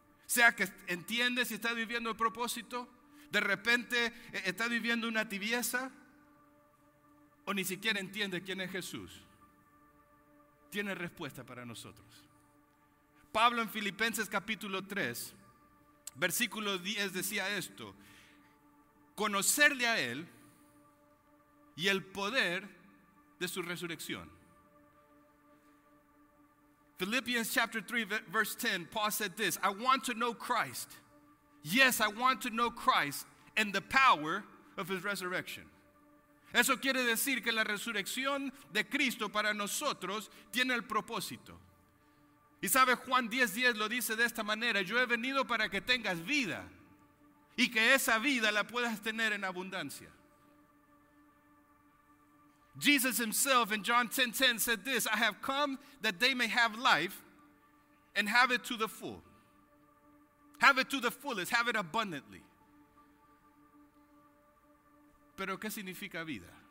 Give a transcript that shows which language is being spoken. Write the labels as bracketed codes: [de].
[es] Sea que entiendes y estás viviendo el propósito, de repente estás viviendo una tibieza, o ni siquiera entiendes quién es Jesús, tiene respuesta para nosotros. Pablo en Filipenses capítulo 3, versículo 10 decía esto: conocerle a Él y el poder de su resurrección. [en] Philippians chapter 3 verse 10, Paul said this: I want to know Christ. Yes, I want to know Christ and the power of his resurrection. [es] Eso quiere decir que la resurrección de Cristo para nosotros tiene el propósito. Y sabe, Juan 10:10 lo dice de esta manera: yo he venido para que tengas vida y que esa vida la puedas tener en abundancia. [en] Jesus himself in John 10:10 said this: I have come that they may have life and have it to the full. Have it to the fullest, have it abundantly. [es] Pero ¿qué significa vida?